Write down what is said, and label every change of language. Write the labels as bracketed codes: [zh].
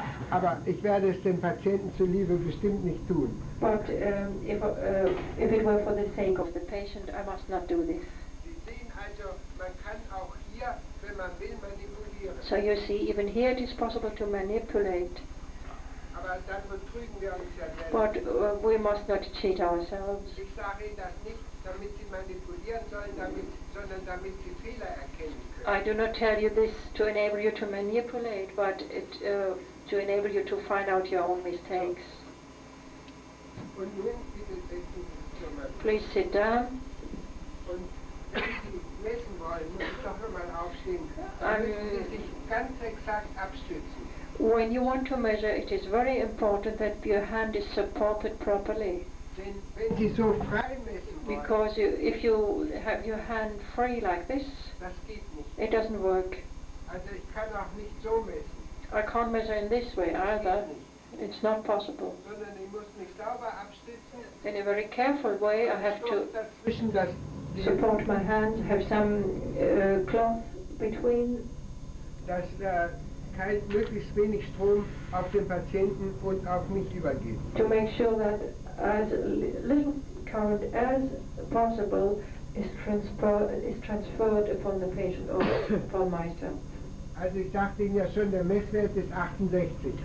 [de] Aber ich werde es dem Patienten zuliebe bestimmt nicht tun. [en] But if it were for the sake of the patient, I must not do this. [de] Sie sehen also, man kann auch hier, wenn man will, manipulieren. [en] So you see, even here it is possible to manipulate. [de] Aber dann betrügen wir uns ja selbst. [en] But we must not cheat ourselves. [de] Ich sage Ihnen das nicht, damit Sie manipulieren sollen, sondern damit Sie Fehler erkennen können. [en] I do not tell you this to enable you to manipulate, but to enable you to find out your own mistakes. [de] Und nun bitte setzen Sie sich schon mal. [en] Please sit down. [de] Und messen wollen, muss ich doch nochmal aufstehen. Dann müssen Sie sich ganz exakt abstützen. [en] When you want to measure, it is very important that your hand is supported properly. [de] Wenn Sie so frei messen wollen, [en] because if you have your hand free like this, [de] das geht nicht. [en] It doesn't work. [de] Also ich kann auch nicht so messen. [en] I can't measure in this way either. It's not possible. [de] Sondern ich muss mich sauber abstützen. [en] In a very careful way, [de] und [en] I have to [de] zwischen das [en] support my hands, have some cloth between, [de] dass kein möglichst wenig Strom auf den Patienten und auf mich übergeht. [en] To make sure that as little current as possible is transferred upon the patient or upon myself. [de] Also ich dachte Ihnen ja schon, der Messwert ist 68.